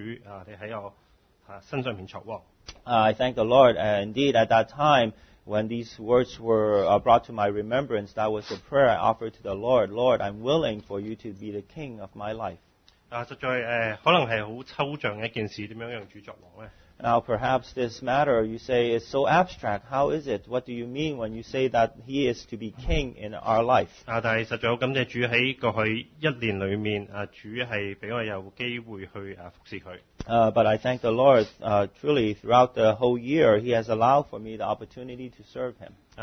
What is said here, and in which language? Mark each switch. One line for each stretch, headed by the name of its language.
Chinese: 實在感謝主,我當時實在作了這個禱告,實在願主你在我身上作王。
English: I thank the Lord, indeed at that time, when these words were brought to my remembrance, that was the prayer I offered to the Lord. Lord, I'm willing for you to be the king of my life.
Chinese: 實在可能是很抽象的一件事,怎樣讓主作王呢?
English: Now perhaps this matter, you say, is so abstract. How is it? What do you mean when you say that he is to be king in our life?
Chinese: 但是實在很感謝主在過去一年裡面,主是讓我有機會去服侍他。
English: But I thank the Lord, truly, throughout the whole year, he has allowed for me the opportunity to serve him.